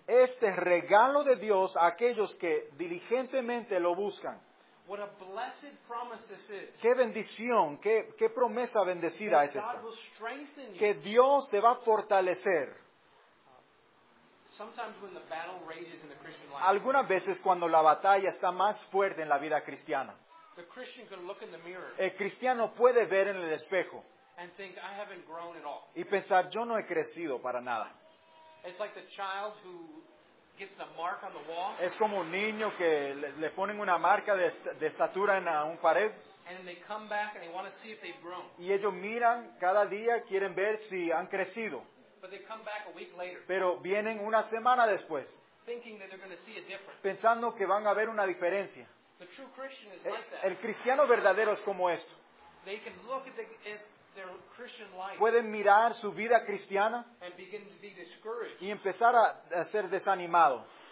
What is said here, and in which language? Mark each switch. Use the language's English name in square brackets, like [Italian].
[Spanish] Este regalo de Dios a aquellos que diligentemente lo buscan. [English] What a blessed promise this is. [Spanish] Qué bendición, qué promesa bendecida [English] that [Spanish] es esta. [English] God will strengthen you. [Spanish] Que Dios te va a fortalecer. [English] Sometimes when the battle rages in the Christian life. [Spanish] Algunas veces cuando la batalla está más fuerte en la vida cristiana. [English] The Christian can look in the mirror. [Spanish] El cristiano puede ver en el espejo. [English] And think, I haven't grown at all. [Spanish] Y pensar, yo no he crecido para nada. [English] It's like the child who gets a mark on the wall. [Spanish] Es como un niño que le ponen una marca de estatura en un pared. [English] And they come back and they want to see if they've grown. [Spanish] Y ellos miran cada día, quieren ver si han crecido. [English] But they come back a week later. [Spanish] Pero vienen una semana después. [English] Thinking that they're going to see a difference. [Spanish] Pensando que van a ver una diferencia. [English] The true Christian is like that. [Spanish] El cristiano verdadero es como esto. [English] They can look at the, their Christian life, [Spanish] pueden mirar su vida cristiana [English] and begin to be discouraged, [Spanish] y empezar a ser desanimado,